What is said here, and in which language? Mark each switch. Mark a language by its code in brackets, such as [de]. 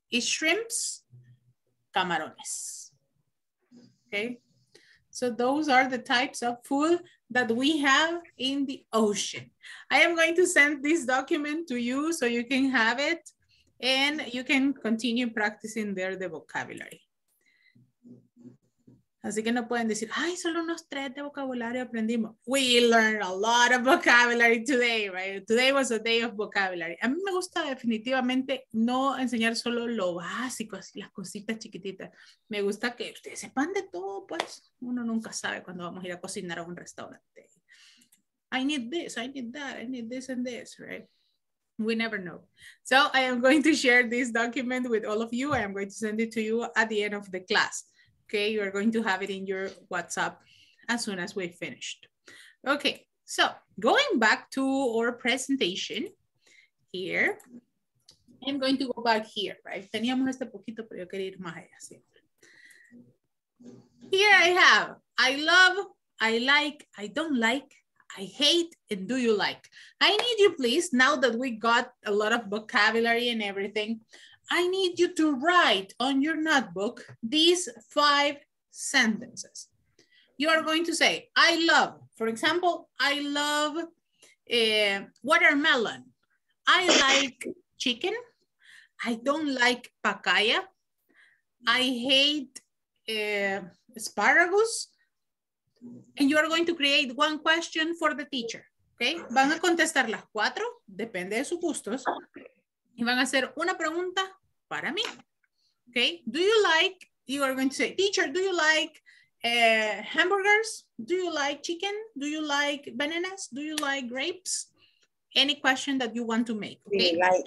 [es] Y shrimps, camarones. Okay. [en] So those are the types of food that we have in the ocean. I am going to send this document to you so you can have it and you can continue practicing there the vocabulary. [es] Así que no pueden decir, ay, solo unos tres de vocabulario aprendimos. [en] We learned a lot of vocabulary today, right? Today was a day of vocabulary. [es] A mí me gusta definitivamente no enseñar solo lo básico, así las cositas chiquititas. Me gusta que ustedes sepan de todo, pues. Uno nunca sabe cuando vamos a ir a cocinar a un restaurante. [en] I need this, I need that, I need this and this, right? We never know. So I am going to share this document with all of you. I am going to send it to you at the end of the class. Okay, you are going to have it in your WhatsApp as soon as we finished. Okay, so going back to our presentation here, I'm going to go back here, right? [es] Teníamos este poquito, pero yo quería ir más allá. [en] Here I have, I love, I like, I don't like, I hate, and do you like? I need you, please, now that we got a lot of vocabulary and everything, I need you to write on your notebook these five sentences. You are going to say, I love, for example, I love watermelon. I like chicken. I don't like papaya. I hate asparagus. And you are going to create one question for the teacher, okay? [es] Van a contestar las cuatro, depende de sus gustos. Y van a hacer una pregunta para mí, okay? [en] Do you like, you are going to say, teacher, do you like hamburgers? Do you like chicken? Do you like bananas? Do you like grapes? Any question that you want to make, okay?